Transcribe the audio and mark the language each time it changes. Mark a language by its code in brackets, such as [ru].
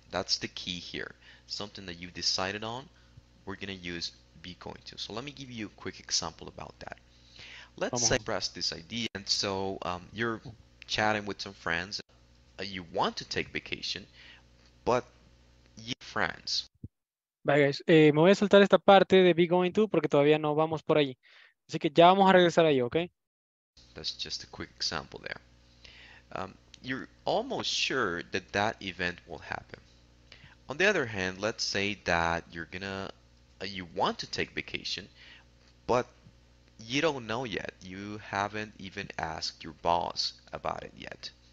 [en] That's the key here. Something that you've decided on, we're going to use be going to. So let me give you a quick example about that. Let's say express this idea. And so you're chatting with some friends. You want to take vacation, but you're friends. Bye, guys. [es] Me voy a saltar esta parte de be going to porque todavía no vamos por allí. Así que ya vamos a regresar ahí, ¿ok? [en] That's just a quick example there. You're almost sure that that event will happen. On the other hand, let's say that you're gonna, you want to take vacation, but you don't know yet. You haven't even asked your boss about it yet.